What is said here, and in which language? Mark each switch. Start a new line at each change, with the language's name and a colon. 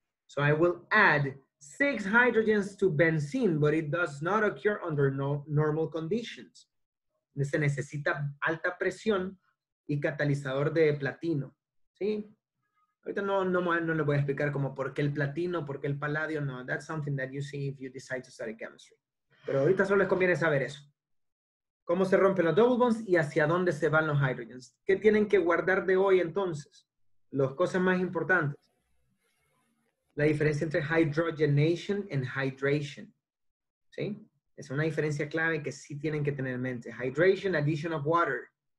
English: So I will add 6 hydrogens to benzene, but it does not occur under normal conditions.
Spanish: Se necesita alta presión y catalizador de platino. ¿Sí? Ahorita no le voy a explicar como por qué el platino, por qué el paladio.
English: No, that's something that you see if you decide to study chemistry.
Spanish: Pero ahorita solo les conviene saber eso. ¿Cómo se rompen los double bonds y hacia dónde se van los hydrogens? ¿Qué tienen que guardar de hoy entonces? Las cosas más importantes. La diferencia entre hydrogenation and hydration. ¿Sí? Es una diferencia clave que sí tienen que tener en mente.
English: Hydration, addition of water.